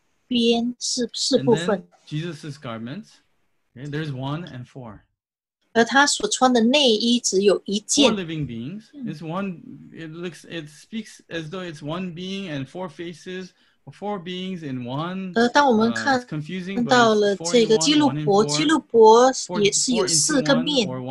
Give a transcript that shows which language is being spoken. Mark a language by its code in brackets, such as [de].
[en] And then Jesus' garments, okay, there's one and four. [zh] 而他所穿的内衣只有一件。 [en] Four living beings, it's one, it speaks as though it's one being and four faces. Four beings in one. [zh] 当我们看到了这个基路伯，基路伯也是有四个面。